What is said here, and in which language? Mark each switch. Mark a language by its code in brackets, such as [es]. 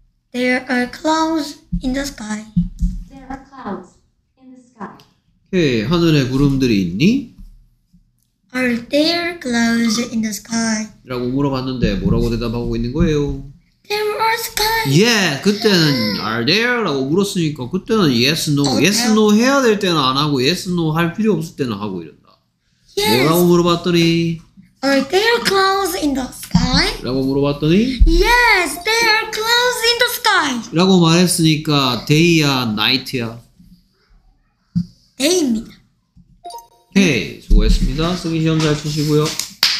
[en] There are trees on the mountain. There are clouds in the sky. In the sky. [ko] Okay, 하늘에 구름들이 있니? [en] Are there clouds in the sky? [ko] 라고 물어봤는데 뭐라고 대답하고 있는 거예요? [en] There are skies. Yeah, [ko] 그때는 [en] are there? [ko] 라고 물었으니까 그때는 yes, no. [en] Okay. [ko] Yes, no 해야 될 때는 안 하고 yes, no 할 필요 없을 때는 하고 이런다. [en] Yes. [ko] 뭐라고 물어봤더니? [en] Are there clouds in the sky? [ko] 라고 물어봤더니? [en] Yes, there are clouds in the sky. [ko] 라고 말했으니까 day야, night야? day입니다. Hey, 수고했습니다. 쓰기 시험 잘 치시고요.